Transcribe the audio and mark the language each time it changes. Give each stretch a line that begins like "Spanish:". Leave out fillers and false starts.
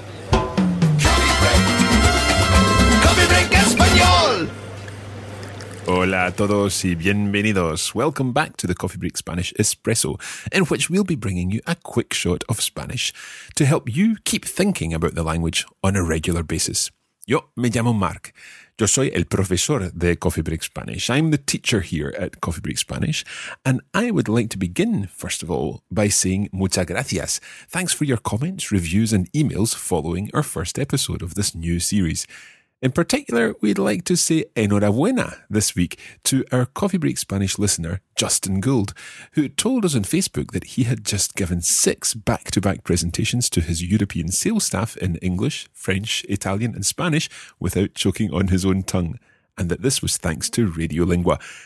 Spanish: Coffee Break Español. Hola a todos y bienvenidos.
English: Welcome back to the Coffee Break Spanish Espresso, in which we'll be bringing you a quick shot of Spanish to help you keep thinking about the language on a regular basis.
Spanish: Yo me llamo Marc. Yo soy el profesor de Coffee Break Spanish.
English: I'm the teacher here at Coffee Break Spanish. And I would like to begin, first of all, by saying
Spanish: muchas gracias.
English: Thanks for your comments, reviews and emails following our first episode of this new series. In particular, we'd like to say
Spanish: enhorabuena
English: this week to our Coffee Break Spanish listener, Justin Gould, who told us on Facebook that he had just given 6 back-to-back presentations to his European sales staff in English, French, Italian and Spanish without choking on his own tongue, and that this was thanks to Radiolingua.